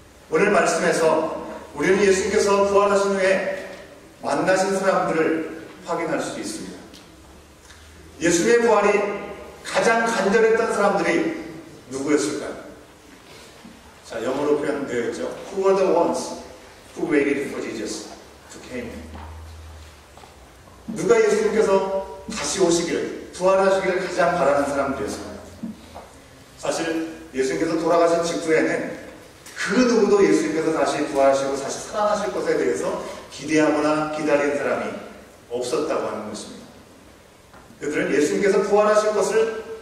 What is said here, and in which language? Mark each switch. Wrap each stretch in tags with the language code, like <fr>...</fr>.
<ko>오늘 말씀에서 우리는 예수님께서 부활하신 후에 만나신 사람들을 확인할 수 있습니다. 예수님의 부활이 가장 간절했던 사람들이 누구였을까요? 자, 영어로 표현되어 있죠.</ko> <en>Who were the ones who waited for Jesus to come?</en> <ko>누가 예수님께서 다시 오시기를, 부활하시기를 가장 바라는 사람들이었을까요? 사실 예수님께서 돌아가신 직후에는 그 누구도 예수님께서 다시 부활하시고 다시 살아나실 것에 대해서 기대하거나 기다린 사람이 없었다고 하는 것입니다. 그들은 예수님께서 부활하실 것을</ko>